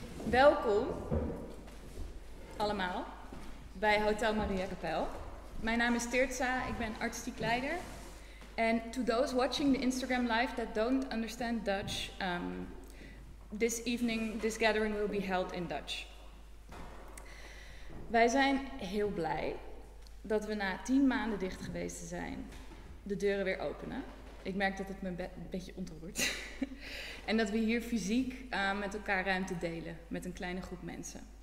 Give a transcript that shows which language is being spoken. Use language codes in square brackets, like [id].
[nl] Welkom allemaal bij Hotel Maria Kapel. Mijn naam is Tirza, ik ben artistiek leider. [en] And to those watching the Instagram live that don't understand Dutch, this evening, this gathering will be held in Dutch. [nl] Wij zijn heel blij dat we na 10 maanden dicht geweest te zijn, de deuren weer openen. Ik merk dat het me een beetje ontroert. En dat we hier fysiek met elkaar ruimte delen, met een kleine groep mensen.